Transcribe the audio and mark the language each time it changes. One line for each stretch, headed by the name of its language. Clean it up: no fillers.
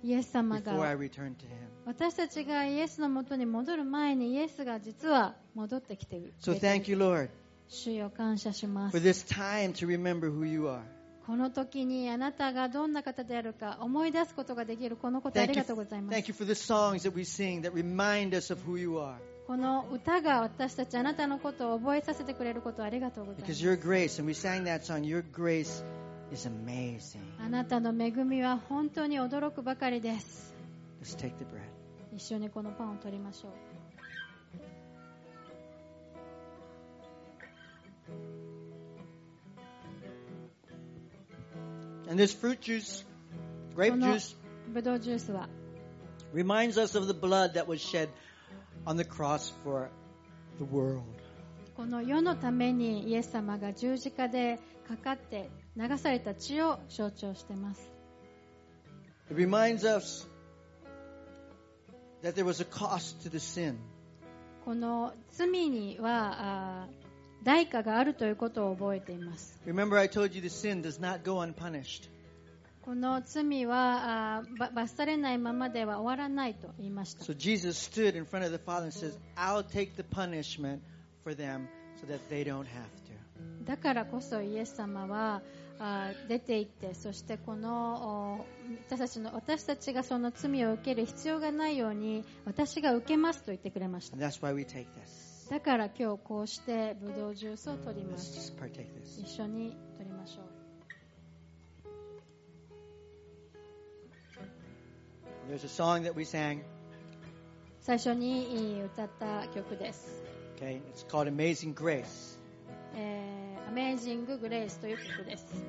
Japanese: 様が私たちがイエスの元に戻る前にイエスが実は戻ってきている。
English: So thank you, Lord,
Japanese: 主よ感謝します。
English: For this time to remember who you are.
Japanese: この時にあなたがどんな方であるか思い出すことができるこのことありがとうございます。
English: Thank you for the songs that we sing that remind us of who you are.
Japanese: この歌が私たちあなたのことを覚えさせてくれることをありがとうございます。
English: Because your grace, and we sang that song, your grace is amazing.
Japanese: あなたの恵みは本当に驚くばかりです。
English: Let's take the bread.
Japanese: 一緒にこのパンを取りましょう。
English: And this fruit juice, grape juice,
Japanese: ブドウジュースは
English: reminds us of the blood that was shedOn the cross for the world.
Japanese: この世のためにイエス様が十字架でかかって流された血を象徴しています。
English: It reminds us that there was a cost to the sin.
Japanese: この罪には代価があるということを覚えています。
English: Remember, I told you the sin does not go unpunished.
Japanese: この罪は罰されないままでは終わらないと言いました。
English: So Jesus stood in front of the Father and says, I'll take the punishment for them so that they don't have to.
Japanese: だからこそイエス様は出て行って、そしてこの私たちがその罪を受ける必要がないように私が受けますと言ってくれました。
English: That's why we take this.
Japanese: だから今日こうしてブドウジュースを取ります。
English: Let's just partake this.
Japanese: 一緒に取りましょう。
English: There's a song that we sang.
Japanese: 最初に歌った曲です。
English: Okay, it's called Amazing Grace.
Japanese: Amazing Grace という曲です。